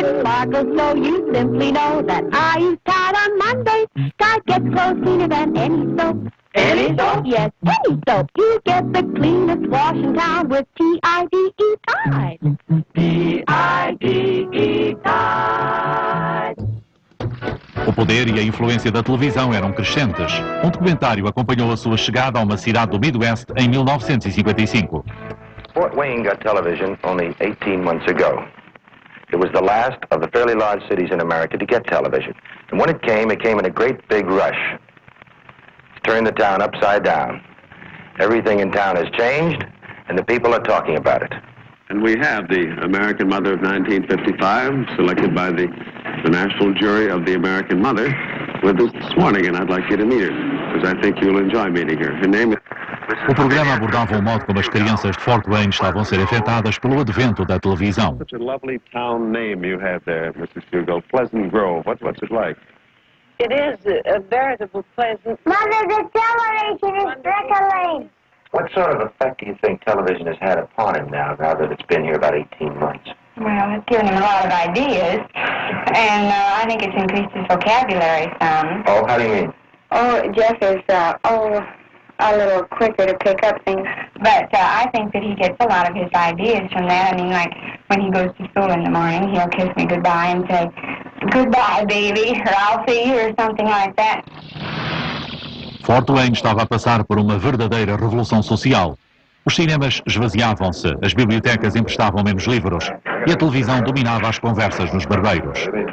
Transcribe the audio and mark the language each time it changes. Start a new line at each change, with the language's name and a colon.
English: It sparkles so you simply know that I use Tide on Monday. Tide gets clothes cleaner than any soap. Any soap? Yes, any soap. You get the cleanest wash in town with T-I-D-E Tide. T-I-D-E Tide.
Portuguese: O poder e a influência da televisão eram crescentes. Um documentário acompanhou a sua chegada a uma cidade do Midwest em 1955.
English: Fort Wayne got television only 18 months ago. It was the last of the fairly large cities in America to get television. And when it came in a great big rush. It turned the town upside down. Everything in town has changed and the people are talking about it. And we have the American Mother of 1955, selected by the National Jury of the American Mother, with us this morning, and I'd like you to meet her, because I think you'll enjoy meeting her. Her name is...
Portuguese: O programa abordava o modo como as crianças de Fort Wayne estavam a ser afetadas pelo advento da televisão.
English: Such a lovely town name you have there, Mrs. Hugo. Pleasant Grove. What's it like? It is a veritable pleasant... Mother, the television is trickling! What sort of effect do you think television has had upon him now that it's been here about 18 months? Well, it's given him a lot of ideas, and I think it's increased his vocabulary some. Oh, how do you mean? Oh, Jeff is, a little quicker to pick up things. But I think that he gets a lot of his ideas from that. I mean, like, when he goes to school in the morning, he'll kiss me goodbye and say, "Goodbye, baby," or "I'll see you," or something like that.
Portuguese: Fort Wayne estava a passar por uma verdadeira revolução social. Os cinemas esvaziavam-se, as bibliotecas emprestavam menos livros e a televisão dominava as conversas nos barbeiros.